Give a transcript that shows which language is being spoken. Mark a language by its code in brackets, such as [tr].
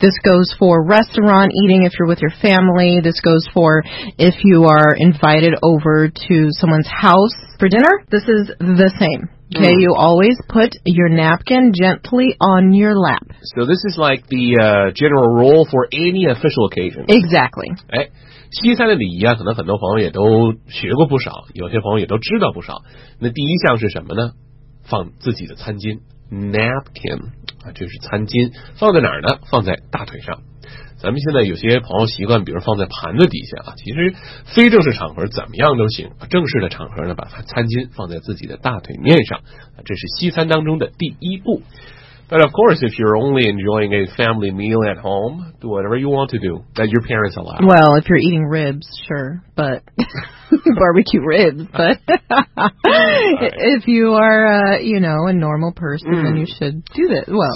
[en] This goes for restaurant eating if you're with your family. This goes for if you are invited over to someone's house for dinner. This is the same. Okay, you always put your napkin gently on your lap. So this is like the general rule for any official occasion. Exactly. [zh] 西餐的礼仪啊，可能很多朋友也都学过不少，有些朋友也都知道不少。那第一项是什么呢？放自己的餐巾 ，napkin 啊，就是餐巾，放在哪儿呢？放在大腿上。咱们现在有些朋友习惯，比如放在盘子底下啊，其实非正式场合怎么样都行，正式的场合呢，把餐巾放在自己的大腿面上，这是西餐当中的第一步。 [en] But of course, if you're only enjoying a family meal at home, do whatever you want to do that your parents allow. Well, if you're eating ribs, sure, but barbecue ribs. But right. If you are, a normal person, then you should do this. Well,